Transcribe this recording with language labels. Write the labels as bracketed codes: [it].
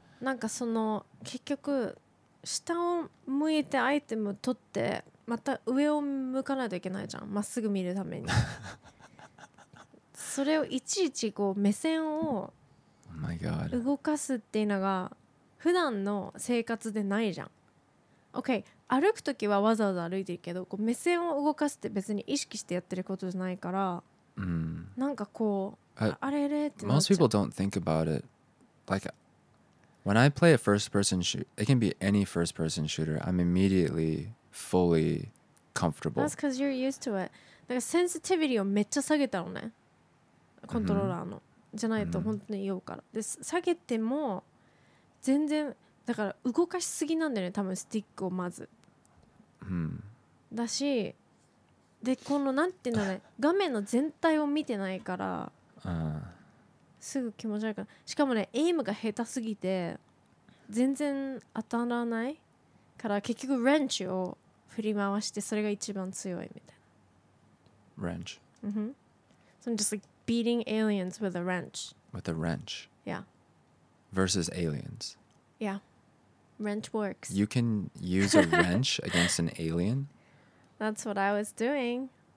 [ja] なんかその結局下を向いてアイテム取ってまた上を向かないといけないじゃん、まっすぐ見るためにそれをいちいちこう目線を動かすっていうのが普段の生活でないじゃん。 OK、 歩くときはわざわざ歩いてるけど、こう目線を動かすって別に意識してやってることじゃないから、なんかこうあれれってなっちゃう。 [en] Most people don't think about it like When I play a first-person shooter, it can be any first-person shooter, I'm immediately fully comfortable. That's because you're used to it. [ja] だからセンシティビティをめっちゃ下げたのね。コントローラーの。じゃないと本当に酔うから。で、下げても全然、だから動かしすぎなんだよね、多分スティックをまず。だし、で、このなんていうのね、画面の全体を見てないから。すぐ気持ち悪いから、しかもね、エイムが下手すぎて全然当たらないから、結局レンチを振り回してそれが一番強いみたいな。レンチ、 [en] うん、So I'm just like beating aliens with a wrench. With a wrench. Yeah. Versus aliens. Yeah. Wrench works. You can use a wrench against an alien? That's what I was doing.